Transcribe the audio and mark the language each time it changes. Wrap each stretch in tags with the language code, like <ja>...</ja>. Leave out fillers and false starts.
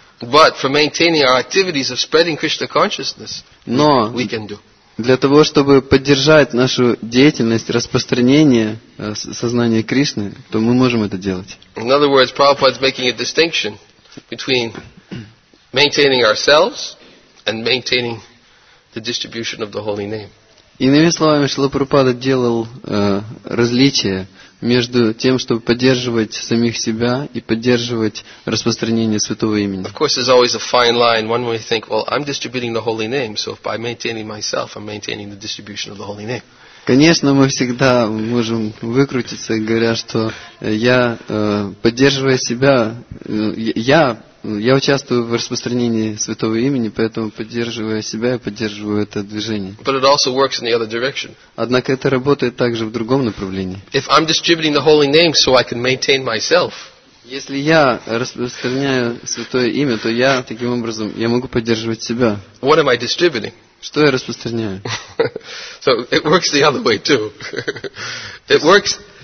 <en>But for maintaining our activities of spreading Krishna consciousness, we can do.</en> <ru>Для того, чтобы поддержать нашу деятельность распространения сознания Кришны, то мы можем это делать.</ru> <en>In other words, Prabhupada's making a distinction between maintaining ourselves and maintaining the distribution of the holy name.</en> <ru>Иными словами, Шрила Прабхупада делал различие между тем, чтобы поддерживать самих себя и поддерживать распространение святого имени.</ru> <en>Of course, there's always a fine line. One may think, well, I'm distributing the holy name, so if by maintaining myself, I'm maintaining the distribution of the holy name.</en> <ru>Конечно, мы всегда можем выкрутиться, говоря, что я поддерживая себя, я участвую в распространении святого имени, поэтому поддерживая себя, я поддерживаю это движение.</ru> <en>But it also works in the other direction.</en> <ru>Однако это работает также в другом направлении.</ru> <en>If I'm distributing the holy name so I can maintain myself.</en> <ru>Если я распространяю святое имя, то я таким образом я могу поддерживать себя.</ru> <en>What am I distributing?</en> <ru>Что я распространяю?</ru> <en>So it works the other way too. It works.</en>